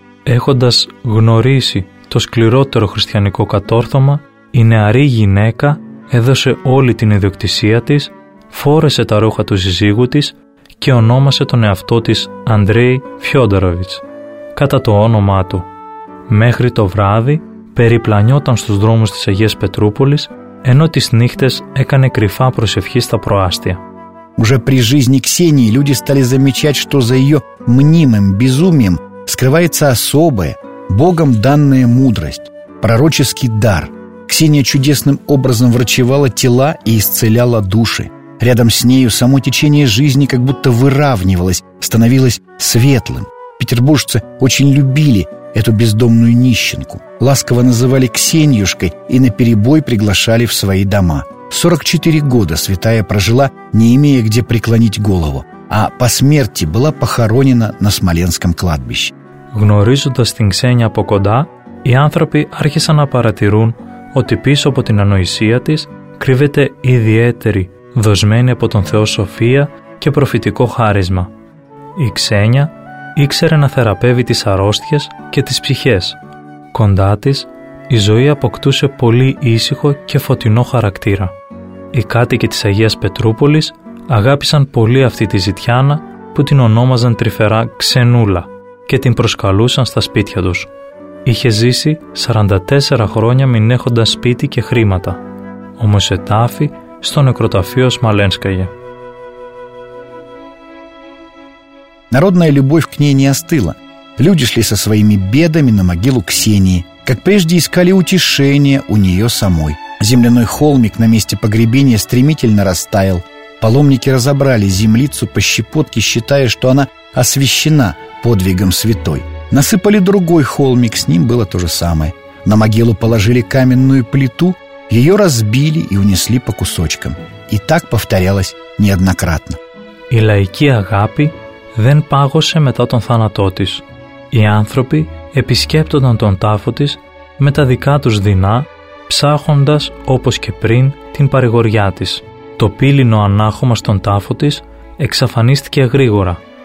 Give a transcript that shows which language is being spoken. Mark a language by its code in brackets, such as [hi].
[el] Έχοντας γνωρίσει το σκληρότερο χριστιανικό κατόρθωμα, η νεαρή γυναίκα έδωσε όλη την ιδιοκτησία της, φόρεσε τα ρούχα του σύζυγου της και ονόμασε τον εαυτό της Αντρέι Φιόντοροβιτς, κατά το όνομά του. Μέχρι το βράδυ περιπλανιόταν στους δρόμους της Αγίας Πετρούπολης, ενώ τις νύχτες έκανε κρυφά προσευχή στα προάστια. [ru] Уже при жизни Ксении люди стали замечать, что за ее мнимым безумием скрывается особая, Богом данная мудрость, пророческий дар. Ксения чудесным образом врачевала тела и исцеляла души. Рядом с нею само течение жизни как будто выравнивалось, становилось светлым. Петербуржцы очень любили эту бездомную нищенку. Ласково называли Ксеньюшкой и наперебой приглашали в свои дома. 44 года святая прожила, не имея где преклонить голову, а по смерти была похоронена на Смоленском кладбище. [el] Γνωρίζοντας την Ξένια από κοντά, οι άνθρωποι άρχισαν να παρατηρούν ότι πίσω από την ανοησία της κρύβεται ιδιαίτερη, δοσμένη από τον Θεό σοφία και προφητικό χάρισμα. Η Ξένια ήξερε να θεραπεύει τις αρρώστιες και τις ψυχές. Κοντά της, η ζωή αποκτούσε πολύ ήσυχο και φωτεινό χαρακτήρα. Οι κάτοικοι της Αγίας Πετρούπολης αγάπησαν πολύ αυτή τη ζητιάνα που την ονόμαζαν τρυφερά «Ξενούλα» και την προσκαλούσαν στα σπίτια τους. Είχε ζήσει 44 χρόνια μην έχοντας σπίτι και χρήματα. Όμως ετάφη στο νεκροταφείο Σμαλένσκαγε. [ru] Народная любовь к ней не остыла. Люди шли со своими бедами на могилу Ксении. Как прежде, искали утешения у нее самой. Земляной холмик на месте погребения стремительно растаял. Паломники разобрали землицу по щепотке, считая, что она освящена подвигом святой. Насыпали другой холмик, с ним было то же самое. На могилу положили каменную плиту, ее разбили и унесли по кусочкам. И так повторялось неоднократно. [el] «Η лаϊκή αγάπη δεν πάγωσε μετά τον θάνατό της. Οι άνθρωποι επισκέπτονταν τον τάφο της με τα δικά τους δεινά, ψάχοντας όπως και πριν την παρηγοριά της. Το πύλινο ανάχωμα στον τάφο της εξαφανίστηκε γρήγορα.